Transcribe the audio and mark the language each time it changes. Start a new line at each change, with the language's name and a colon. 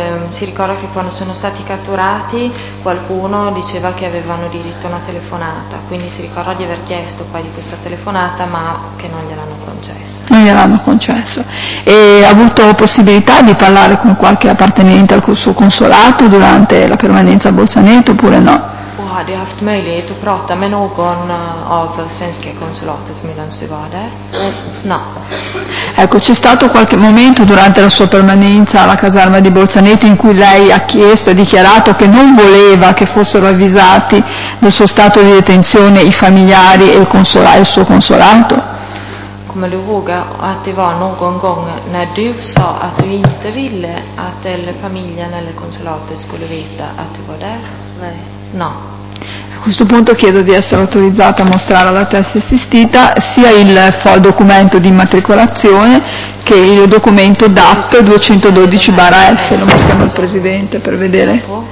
Italian: Si ricorda che quando sono stati catturati qualcuno diceva che avevano diritto a una telefonata, quindi si ricorda di aver chiesto poi di questa telefonata, ma che non gliel'hanno concesso. Non gliel'hanno concesso. E ha avuto possibilità di parlare con qualche appartenente al suo consolato durante la permanenza a Bolzaneto oppure no?
Swedish: Ha du haft möjlighet att prata med någon av svenska konsulatet medan du var där?
Italian: No. Ecco, c'è stato qualche momento durante la sua permanenza alla caserma di Bolzaneto in cui lei ha chiesto e dichiarato che non voleva che fossero avvisati del suo stato di detenzione i familiari e il suo consolato?
Swedish: Come du ihåg att det var någon gång när du sa att du inte ville att familjen eller konsulatet skulle veta att du var där? Nej.
Italian: No. A questo punto chiedo di essere autorizzata a mostrare alla testa assistita sia il documento di immatricolazione che il documento DAP 212/F. Lo mostriamo al Presidente per vedere.